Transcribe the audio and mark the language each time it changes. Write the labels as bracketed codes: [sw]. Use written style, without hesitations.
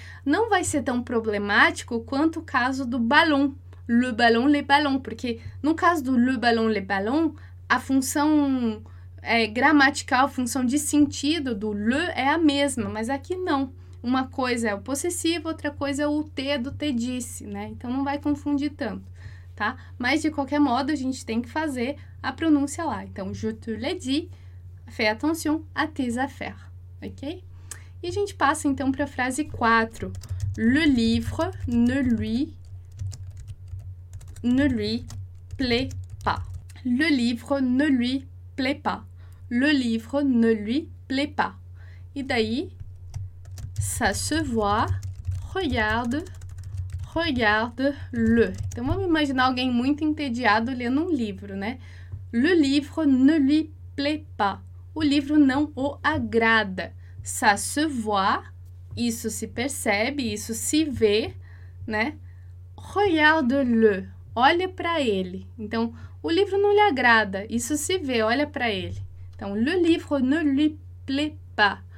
[pt] Não vai ser tão problemático quanto o caso do ballon, [fr] le ballon, les ballons, [pt] porque no caso do le ballon, les ballons, a função... gramatical, função de sentido do le é a mesma, mas aqui não. Uma coisa é o possessivo, outra coisa é o te do te disse, né? Então, não vai confundir tanto, tá? Mas, de qualquer modo, a gente tem que fazer a pronúncia lá. [fr] Então, je te l'ai dit, fais attention à tes affaires, ok? [pt] E a gente passa, então, para a frase 4. [fr] Le livre ne lui ne lui plaît pas. Le livre ne lui plaît pas. Le livre ne lui plaît pas. Et d'ailleurs, ça se voit. Regarde. Regarde-le. [pt] Então vamos imaginar alguém muito entediado lendo um livro, né? [fr] Le livre ne lui plaît pas. [pt] O livro não o agrada. [fr] Ça se voit. [pt] Isso se percebe, isso se vê, né? [fr] Regarde-le. [pt] Olha para ele. Então, o livro não lhe agrada. Isso se vê, olha para ele. Então, [fr] le livre ne lui plaît pas.